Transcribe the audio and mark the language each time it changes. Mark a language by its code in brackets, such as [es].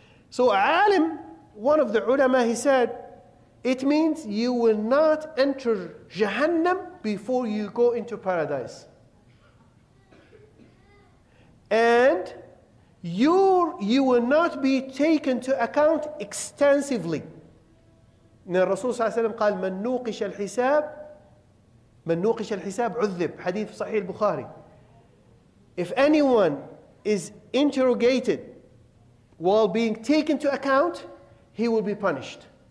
[en] So alim, one of the ulama, he said, it means you will not enter Jahannam before you go into paradise. And you will not be taken to account extensively. [ar] Now Rasul صلى الله عليه وسلم قال, مَنْ نُوقِشَ الْحِسَابِ مَنْ نُوقِشَ الْحِسَابِ عُذِّبْ. [en] Hadith Sahih Bukhari. If anyone is interrogated while being taken to account, he will be punished.